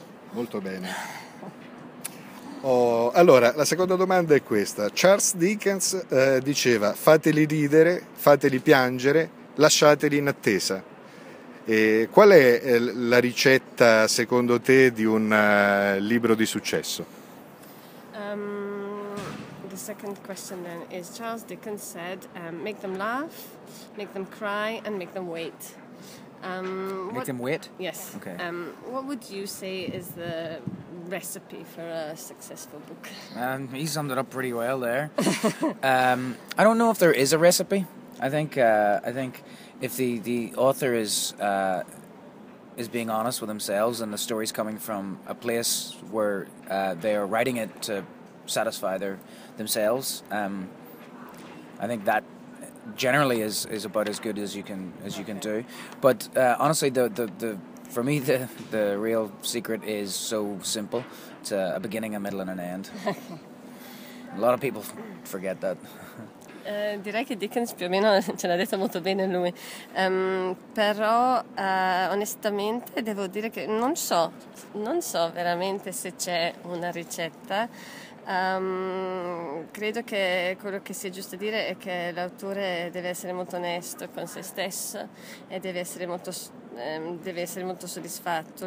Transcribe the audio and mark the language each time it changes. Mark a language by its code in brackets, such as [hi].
[it] Molto bene. Allora, la seconda domanda è questa. Charles Dickens diceva: fateli ridere, fateli piangere, lasciateli in attesa. E qual è la ricetta, secondo te, di un libro di successo? [en] The second question then is, Charles Dickens said, make them laugh, make them cry, and make them wait. Make them wait? Yes. Okay. What would you say is the recipe for a successful book? He summed it up pretty well there. I don't know if there is a recipe. I think if the author is being honest with themselves and the story's coming from a place where they are writing it to satisfy themselves, I think that generally is about as good as you can do. But honestly, the for me the real secret is so simple. It's a beginning, a middle, and an end. A lot of people forget that. [it] Direi che Dickens più o meno ce l'ha detto molto bene lui, però onestamente devo dire che non so veramente se c'è una ricetta. Credo che quello che sia giusto dire è che l'autore deve essere molto onesto con se stesso e deve essere molto soddisfatto.